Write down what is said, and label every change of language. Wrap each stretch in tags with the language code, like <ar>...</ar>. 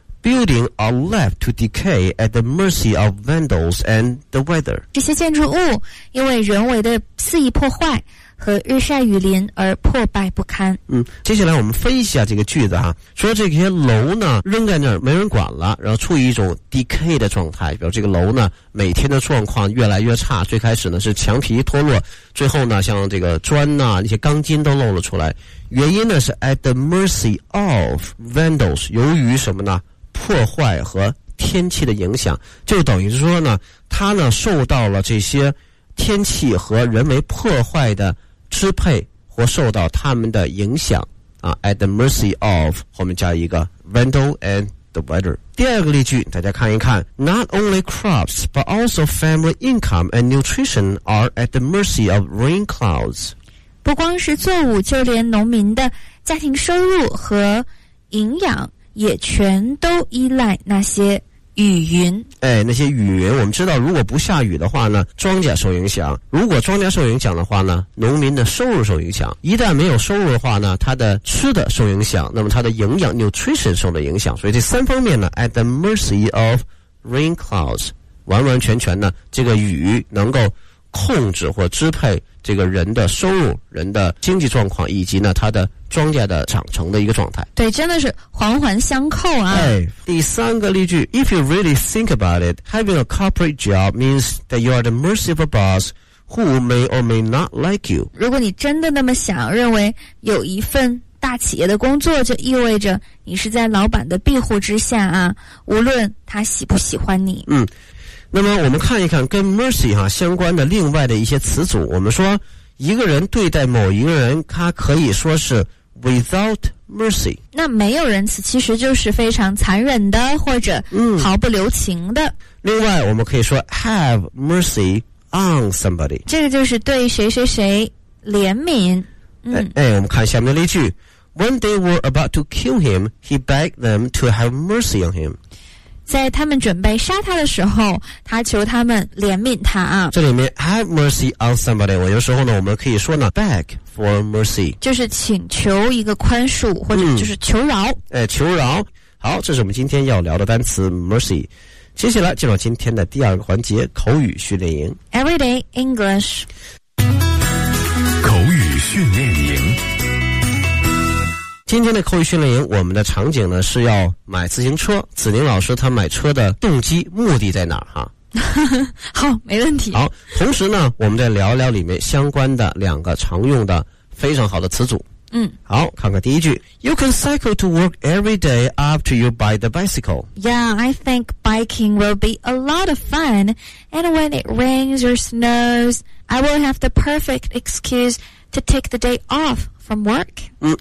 <en>Building are left to decay at the mercy of vandals and the weather.</en> <zh>这些建筑物因为人为的肆意破坏和日晒雨淋而破败不堪。接下来我们分析一下这个句子哈，说这些楼呢扔在那儿没人管了，然后处于一种 decay 的状态，比如这个楼呢每天的状况越来越差，最开始呢是墙皮脱落，最后呢像这个砖呐、那些钢筋都露了出来，原因呢是</zh> <en>at the mercy of vandals，</en> <zh>由于什么呢？破坏和天气的影响，就等于是说呢，它呢受到了这些天气和人为破坏的支配，或受到他们的影响啊。</zh> <en>At the mercy of，</en> <zh>后面加一个</zh> <en>vandal and the weather。</en> <zh>第二个例句，大家看一看</zh> <en>，Not only crops but also family income and nutrition are at the mercy of rain clouds。</en> <zh>不光是作物，就连农民的家庭收入和营养。也全都依赖那些雨云。哎，那些雨云，我们知道，如果不下雨的话呢，庄稼受影响；如果庄稼受影响的话呢，农民的收入受影响；一旦没有收入的话呢，他的吃的受影响，那么他的营养 nutrition 受了影响。所以这三方面呢 ，</zh> <en>at the mercy of rain clouds，</en> <zh>完完全全呢，这个雨能够控制或支配这个人的收入、人的经济状况以及呢他的庄稼的长成的一个状态。对，真的是环环相扣啊。哎，第三个例句，</zh> <en>If you really think about it, having a corporate job means that you are the mercy of a boss who may or may not like you.</en> <zh>如果你真的那么想，认为有一份大企业的工作就意味着你是在老板的庇护之下啊，无论他喜不喜欢你。嗯，那么我们看一看跟 mercy 啊相关的另外的一些词组。我们说一个人对待某一个人，他可以说是</zh> <en>without mercy。</en> <zh>那没有仁慈其实就是非常残忍的或者毫不留情的。另外我们可以说</zh> <en>have mercy on somebody，</en> <zh>这个就是对谁谁谁怜悯。我们看下面的例句，</zh> <en>When they were about to kill him, he begged them to have mercy on him。</en> <zh>在他们准备杀他的时候，他求他们怜悯他啊。这里面</zh> <en>have mercy on somebody，</en> <zh>我有时候呢我们可以说呢</zh> <en>beg for mercy，</en> <zh>就是请求一个宽恕或者就是求饶。求饶。好，这是我们今天要聊的单词 mercy。接下来进入今天的第二个环节，口语训练营</zh> <en>Everyday English。</en> <zh>口语训练营，今天的口语训练营，我们的场景呢是要买自行车。子宁老师他买车的动机目的在哪儿哈？好，没问题。好，同时呢我们再聊聊里面相关的两个常用的非常好的词组。嗯，好，看看第一句，</zh> <en>You can cycle to work every day after you buy the bicycle. Yeah, I think biking will be a lot of fun. And when it rains or snows, I will have the perfect excuse to take the day offfrom work.</en>